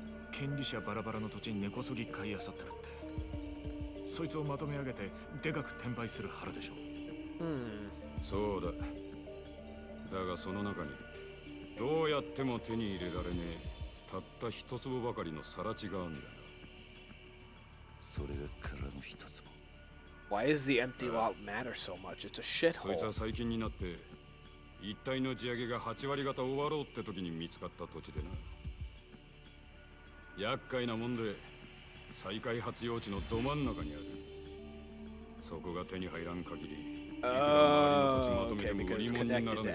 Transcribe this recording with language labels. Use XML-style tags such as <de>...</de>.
<ja>権利者バラバラの土地に根こそぎ買い漁ってるって。そいつをまとめ上げてでかく転売する腹でしょう。そうだ。だがその中にどうやっても手に入れられねえたった一坪ばかりの更地があるんだよ。それが空の一坪。</ja> <en>Why is the empty lot matter so much? It's a shithole.</en> <ja>そいつは最近になって。一帯の地上げが8割方終わろうって時に見つかった土地でな。厄介なもんで、再開発用地のど真ん中にある。そこが手に入らん限り、いくら周りの土地まとめても売り物にならない。</ja>